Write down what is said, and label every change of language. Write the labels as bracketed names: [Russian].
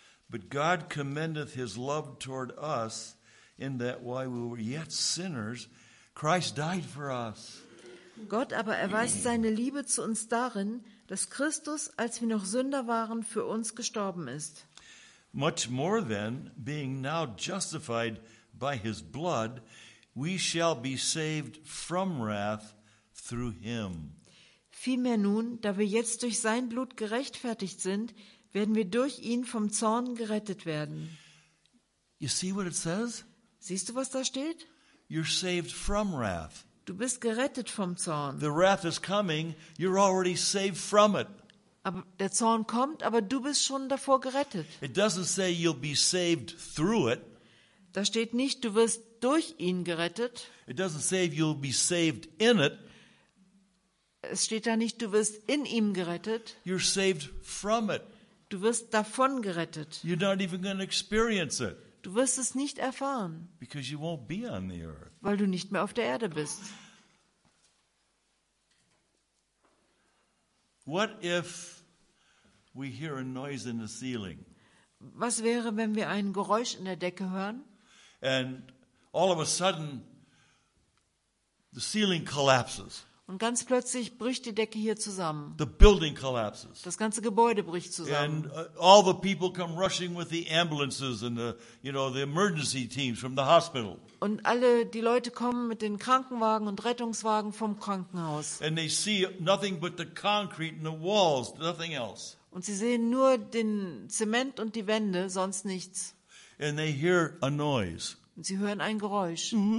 [English] But God commendeth his love toward us, in that while we were yet sinners, Christ died for us. [German] Gott aber erweist seine Liebe zu uns darin, dass Christus, als wir noch Sünder waren, für uns gestorben ist. [English] Much more then, being now justified by his blood, we shall be saved from wrath through him. [German] Vielmehr nun, da wir jetzt durch sein Blut gerechtfertigt sind, werden wir durch ihn vom Zorn gerettet werden. [English] You see what it says? [German] Siehst du, was da steht? [English] You're saved from wrath. [German] Du bist gerettet vom Zorn. [English] The wrath is coming, you're already saved from it. [German] Aber der Zorn kommt, aber du bist schon davor gerettet. [English] It doesn't say you'll be saved through it. [German] Da steht nicht, du wirst durch ihn gerettet. [English] It doesn't say you'll be saved in it. [German] Es steht da nicht, du wirst in ihm gerettet. [English] You're saved from it. [German] Du wirst davon gerettet. [English] You're not even going to experience it. [German] Du wirst es nicht erfahren. [English] Because you won't be on the earth. [German] Weil du nicht mehr auf der Erde bist. [English] What if we hear a noise in the ceiling? [German] Was wäre, wenn wir ein Geräusch in der Decke hören? [English] And all of a sudden the ceiling collapses. [German] Und ganz plötzlich bricht die Decke hier zusammen. [English] The building collapses. [German] Das ganze Gebäude bricht zusammen. [English] And all the people come rushing with the ambulances and the, you know, the emergency teams from the hospital. [German] Und alle die Leute kommen mit den Krankenwagen und Rettungswagen vom Krankenhaus. [English] And they see nothing but the concrete and the walls, nothing else. [German] Und sie sehen nur den Zement und die Wände, sonst nichts. [English] And they hear a noise. [German] Und sie hören ein Geräusch.